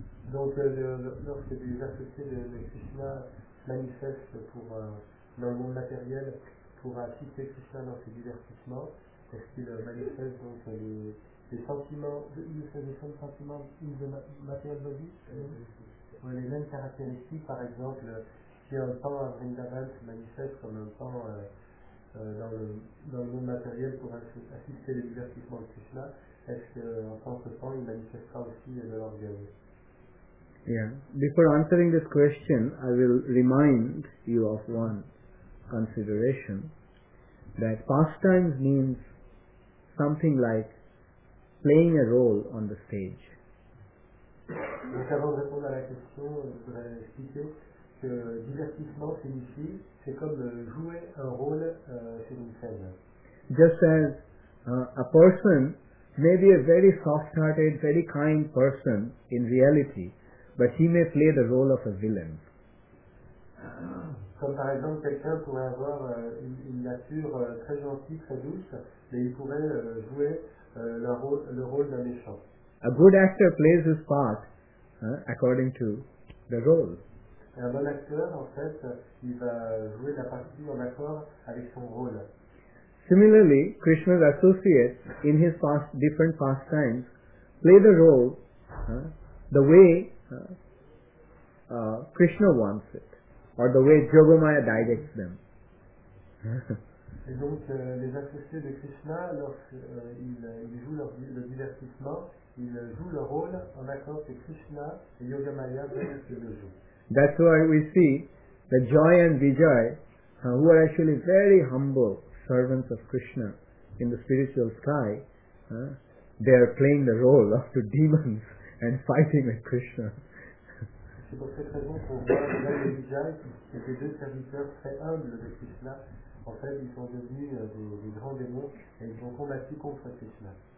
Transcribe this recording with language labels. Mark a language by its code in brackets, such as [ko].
[fr] Donc, lorsque des associés de Krishna manifestent dans le monde matériel pour assister Krishna dans ses divertissements, est-ce qu'il manifeste donc les sentiments, les sentiments [en] in the material body, [fr] ou les mêmes caractéristiques, par exemple, si un pan à Vrindavan se manifeste comme un pan dans le monde matériel pour assister les divertissements de Krishna, est-ce qu'en tant que pan, il manifestera aussi de l'orgueil? [en] Yeah. Before answering this question, I will remind you of one consideration, that pastimes means something like playing a role on the stage. [fr] Donc avant de répondre à la question, je voudrais expliquer que divertissement signifie c'est comme jouer un rôle sur une scène. [en] Just as a person may be a very soft-hearted, very kind person in reality, but he may play the role of a villain. [fr] Comme par exemple quelqu'un pourrait avoir une nature très gentille, très douce, mais il pourrait jouer le rôle d'un méchant. [en] A good actor plays his part according to the role. [fr] Et un bon acteur, en fait, il va jouer la partie en accord avec son rôle. [en] Similarly, Krishna's associates in his past, different pastimes play the role the way Krishna wants it, or the way Jogamaya directs them. [fr] Et donc, les associés de Krishna, lorsqu'ils jouent le divertissement, ils jouent leur rôle en accord avec Krishna et Yogamaya dans le jeu. [en] That's why we see that Joy and Vijay, who are actually very humble servants of Krishna in the spiritual sky, they are playing the role of the demons and fighting with Krishna. [fr] C'est pour cette raison qu'on voit Joy et Vijay, qui étaient deux serviteurs très humbles de Krishna, en fait, ils sont devenus des grands démons et ils ont combattu contre Krishna.